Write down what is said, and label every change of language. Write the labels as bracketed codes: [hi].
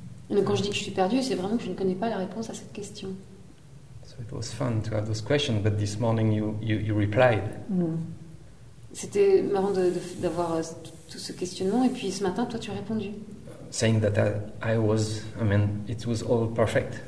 [fr] Donc quand je dis que je suis perdue, c'est vraiment que je ne connais pas la réponse à cette question. [en] It was fun to have those questions, but this morning you replied. [fr] C'était marrant d'avoir tout ce questionnement, et puis ce matin, toi, tu as répondu. [en] Saying that I was, I mean, it was all perfect.